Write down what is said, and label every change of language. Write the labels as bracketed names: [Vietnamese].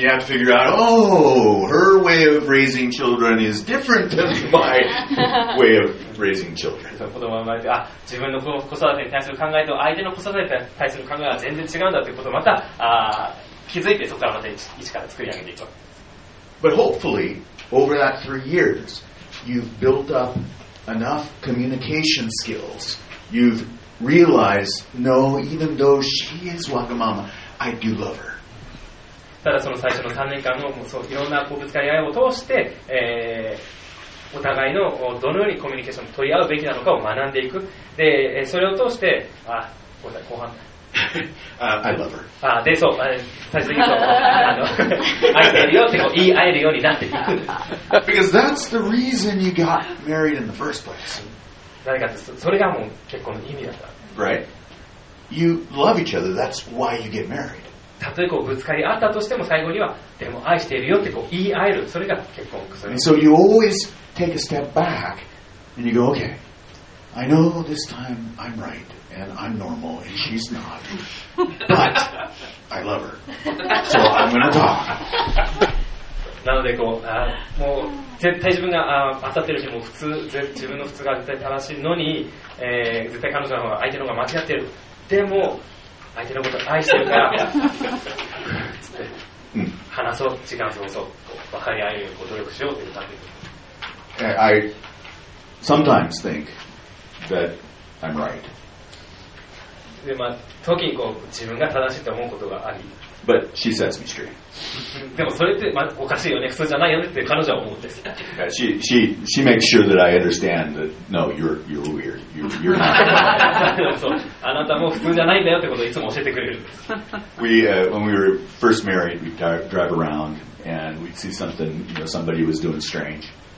[English] And you have to figure out Oh, her way of raising children is different than my way of raising children [Japanese] 子供が生まれて自分の子育てに対する考えと相手の子育てに対する考えは全然違うんだということをまた気づいてそこからまた一から作り上げていく。 [English] But hopefully over that three years you've built up enough communication skills you've realized no, even though she is WagamamaI do love her. [Japanese] ただその最初の3年間のそういろんなこうぶつかり合いを通して、お互いのどのようにコミュニケーションを取り合うべきなのかを学んでいく。でそれを通して、後半。 [English] I love her. [Japanese] でそう最終的にそう愛してるよってこう言い合えるようになっていく。 [English] Because that's the reason you got married in the first place. [Japanese] 誰かってそれがもう結婚の意味だった。 [English] Right. You love each other. That's why you get married. [Japanese] たとえこうぶつかり合ったとしても最後にはでも愛しているよってこう言い合える。それが結婚。 [English] So you always take a step back and you go, okay, I know this time I'm right and I'm normal and she's not, but I love her. So I'm gonna talk. [Japanese] なのでこうもう絶対自分が当たってるし、もう普通自分の普通が絶対正しいのに、絶対彼女の方が相手の方が間違ってる。でも相手のことを愛してるからつって話そう、時間過ごそう、分かり合えるように努力しようという感じ。 [English] I sometimes think that I'm right. [Japanese] で、まあ、時にこう自分が正しいと思うことがあり。 [English] But she sets me straight. [Japanese] でもそれって、まあ、おかしいよね、普通じゃないよねって彼女は思うんです。 [English] She makes sure that I understand that no, you're weird. when we were first married, we'd drive around and we'd see something, you know, somebody was doing strange.